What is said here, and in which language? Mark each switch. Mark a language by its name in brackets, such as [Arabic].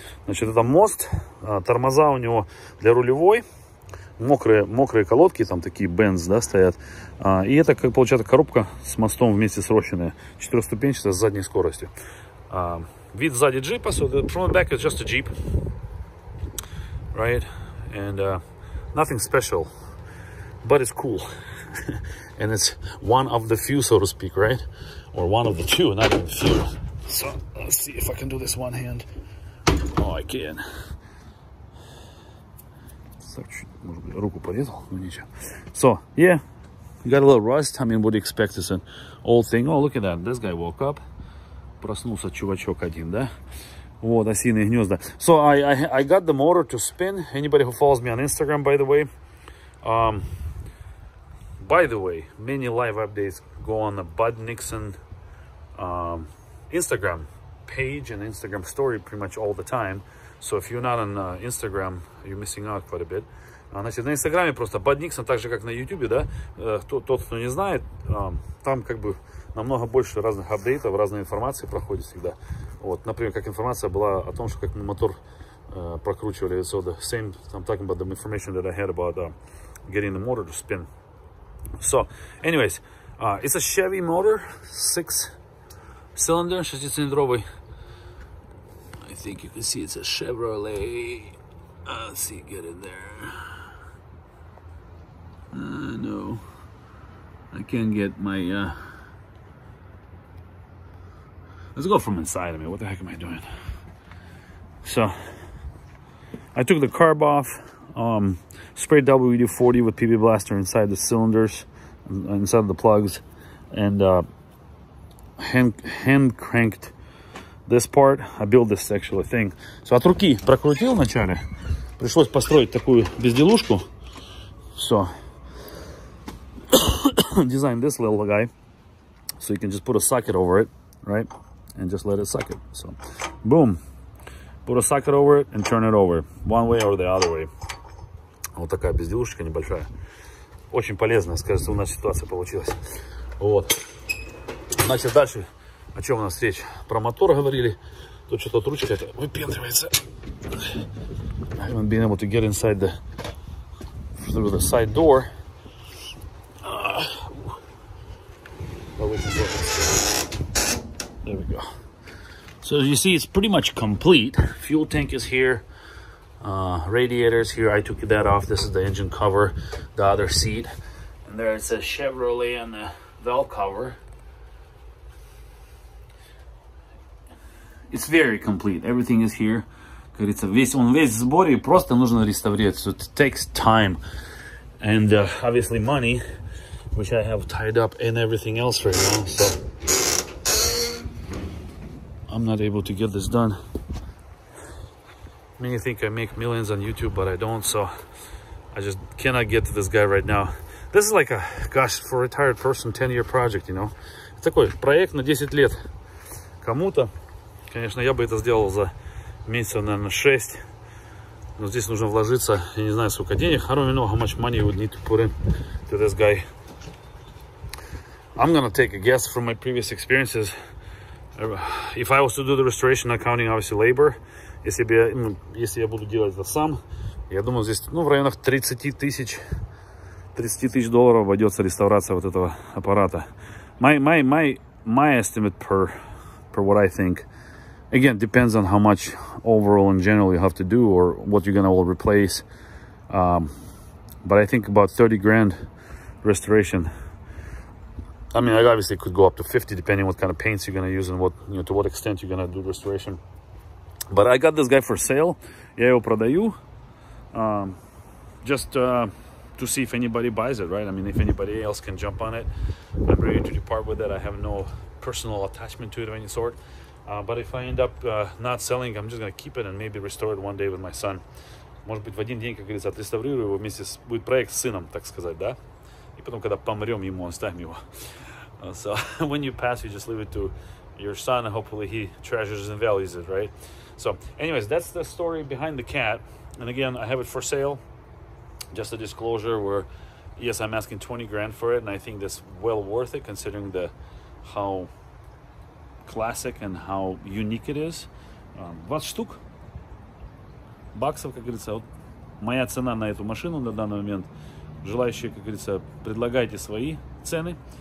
[Russian] Значит, это мост, тормоза у него для рулевой, мокрые колодки, там такие бенз, да, стоят, и это, как получается, коробка с мостом вместе сроченная, 4-ступенчатая с задней скоростью. Вид сзади джипа, [English] so the front back is just a Jeep, right, and nothing special, but it's cool, and it's one of the few, so to speak, right, or one of the two, not even few. So, let's see if I can do this one hand. Oh, I can. So, [Russian] так чуть, может быть, руку порезал, но ничего. [English] So, yeah, got a little rust. I mean, what do you expect? It's an old thing. Oh, look at that. This guy woke up. [Russian] Проснулся чувачок один, да? Вот, осиные гнезда. [English] So, I got the motor to spin. Anybody who follows me on Instagram, by the way. By the way, many live updates go on the Bud Nixon Instagram page and Instagram story pretty much all the time. So if you're not on Instagram, you're missing out quite a bit. [Russian] Значит, на Инстаграме просто Bud Nixon, так же как на Ютубе, да? Тот, кто не знает, там как бы намного больше разных апдейтов, разной информации проходит всегда. Вот, например, как информация была о том, что как мы мотор прокручивали. [English] So the same, I'm talking about the information that I had about getting the motor to spin. So, anyways, it's a Chevy motor, 6-cylinder, 6-cylindровый. I think you can see it's a Chevrolet. Let's see, get in there. No, I can't get my, let's go from inside of me. What the heck am I doing? So, I took the carb off. Sprayed WD-40 with PB Blaster inside the cylinders, inside the plugs, and hand cranked this part. I built this actually thing. [Russian] So от руки прокрутил вначале. Пришлось построить такую безделушку. [English] So designed this little guy, so you can just put a socket over it, right, and just let it suck it. So boom, put a socket over it and turn it over one way or the other way. [Russian] Вот такая безделушечка небольшая. Очень полезная, скажется, у нас ситуация получилась. Вот. Значит, дальше, о чем у нас речь? Про мотор говорили. Тут что-то ручка выпендривается. [English] I haven't been able to get inside the through the side door. There we go. So, as you see, it's pretty much complete. Fuel tank is here. Radiators here. I took that off. This is the engine cover, the other seat, and there it says Chevrolet on the valve cover. It's very complete. Everything is here. [Russian] Говорится, весь сбор и просто нужно реставрировать. [English] So it takes time and obviously money, which I have tied up in everything else right now. So I'm not able to get this done. Many think I make millions on YouTube, but I don't, so I just cannot get to this guy right now. This is like a, gosh, for a retired person, 10-year project, you know. [Russian] It's такой проект на 10 лет кому-то. Конечно, я бы это сделал за месяца, наверное, 6. Но здесь нужно вложиться, я не знаю, сколько денег. [English] I don't know how much money you would need to put in to this guy. I'm gonna take a guess from my previous experiences. If I was to do the restoration, not counting, obviously, labor, [Russian] если я буду делать это сам, я думаю, здесь, ну, в районах 30 тысяч долларов обойдется реставрация вот этого аппарата. [English] My estimate per what I think, again, depends on how much overall in general you have to do or what you're gonna all replace. But I think about 30 grand restoration. I mean, I obviously could go up to 50 depending on what kind of paints you're gonna use and what, you know, to what extent you're gonna do restoration. But I got this guy for sale. [Russian] Я его продаю. [English] To see if anybody buys it, right? I mean, if anybody else can jump on it, I'm ready to depart with it. I have no personal attachment to it of any sort. But if I end up not selling, I'm just going to keep it and maybe restore it one day with my son. [Russian] Может быть, в один день, как говорится, отреставрирую его вместе с... Будет проект с сыном, так сказать, да? И потом, когда помрем ему, оставим его. [English] So, when you pass, you just leave it to your son, and hopefully he treasures and values it, right? So, anyways, that's the story behind the cat. And again, I have it for sale. Just a disclosure where, yes, I'm asking 20 grand for it, and I think that's well worth it considering the how classic and how unique it is. [Russian] 20 штук баксов, как говорится. Вот моя цена на эту машину на данный момент. Желающие, как говорится, предлагайте свои цены.